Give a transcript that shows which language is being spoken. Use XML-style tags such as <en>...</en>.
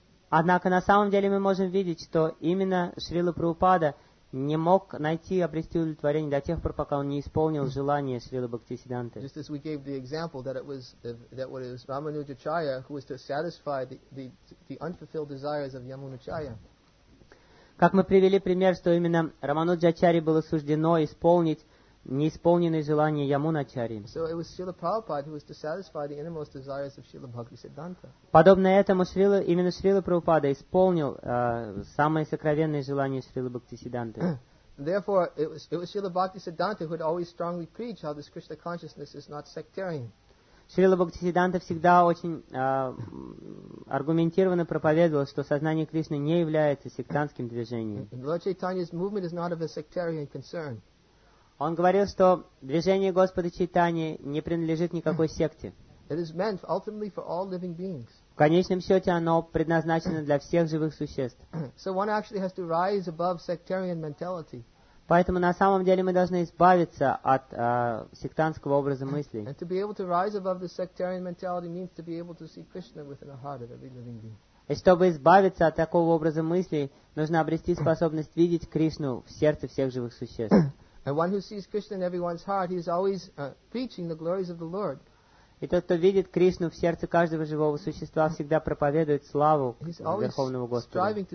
<ru>Однако на самом деле мы можем видеть, что именно Шрила Прабхупада не мог найти обрести удовлетворение до тех пор, пока он не исполнил желание Шрилы Бхактисиддханты.</ru> <en>Just as we gave the example that it was Рамануджачарья who was to satisfy the unfulfilled desires of Ямунучарья.</en> <ru>Как мы привели пример, что именно Рамануджачарье было суждено исполнить неисполненные желания Ямунучарьи.</ru> <en>So it was Srila Prabhupada who was to satisfy the innermost desires of Srila Bhaktisiddhanta.</en> <ru>Подобно этому именно Шрила Прабхупада исполнил самые сокровенные желания Шрилы Бхактисиддханты.</ru> <en>Therefore, it was Srila Bhaktisiddhanta who would always strongly preach how this Krishna consciousness is not sectarian.</en> <ru>Шрила Бхактисиддханта всегда очень аргументированно проповедовал, что сознание Кришны не является сектантским движением.</ru> <en>Lord Chaitanya's movement is not of a sectarian concern.</en> <ru>Он говорил, что движение Господа Чайтани не принадлежит никакой секте.</ru> <en>It is meant ultimately for all living beings.</en> <ru>В конечном счете оно предназначено для всех живых существ.</ru> <en>So one actually has to rise above sectarian mentality.</en> <ru>Поэтому на самом деле мы должны избавиться от сектантского образа мысли.</ru> <en>And to be able to rise above the sectarian mentality means to be able to see Krishna within the heart of every living being.</en> <ru>И чтобы избавиться от такого образа мысли, нужно обрести способность видеть Кришну в сердце всех живых существ.</ru> <en>And one who sees Krishna in everyone's heart, he is always preaching the glories of the Lord.</en> <ru>И тот, кто видит Кришну в сердце каждого живого существа, всегда проповедует славу Верховного Господа.</ru>